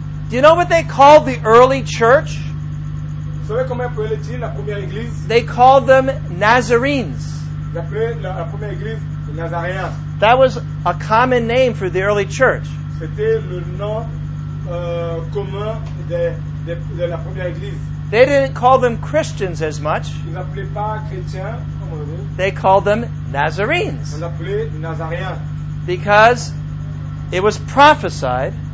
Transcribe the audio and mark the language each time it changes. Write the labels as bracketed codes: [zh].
[en] Do you know what they called the early church? [fr] Vous savez comment appelait-il la première église? [en] They called them Nazarenes. [fr] Ils appelaient la première église les Nazaréens. [en] That was a common name for the early church. [fr] C'était le nom commun de la première église. [en] They didn't call them Christians as much. [fr] Ils appelaient pas chrétiens, comme on le dit. [en] They called them Nazarenes. [fr] On l'appelait Nazaréen. [en] Because it was prophesied